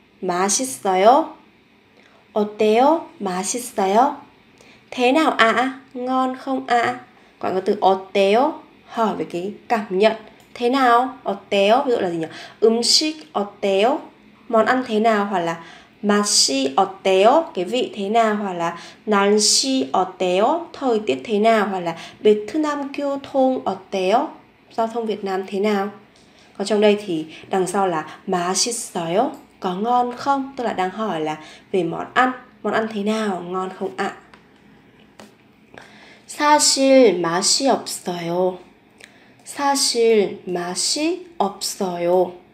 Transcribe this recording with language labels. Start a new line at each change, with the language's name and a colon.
Korean: 맛있어요? 어때요? 맛있어요?
Vietnamese: Thế nào ạ? À? Ngon không ạ? À? Gọi có từ 어때요? Hỏi về cái cảm nhận. Thế nào?
Korean: 어때요?
Vietnamese: Ví dụ là gì nhỉ?
Korean: 음식 어때요?
Vietnamese: Món ăn thế nào? Hoặc là
Korean: 맛이 어때요?
Vietnamese: Cái vị thế nào? Hoặc là
Korean: 날씨 어때요?
Vietnamese: Thời tiết thế nào? Hoặc là
Korean: 베트남 교 통 어때요?
Vietnamese: Giao thông Việt Nam thế nào? Còn trong đây thì đằng sau là
Korean: 맛있어요?
Vietnamese: Có ngon không? Tức là đang hỏi là về món ăn. Món ăn thế nào? Ngon không ạ?
Korean: 사실 맛이 없어요. 사실 맛이 없어요.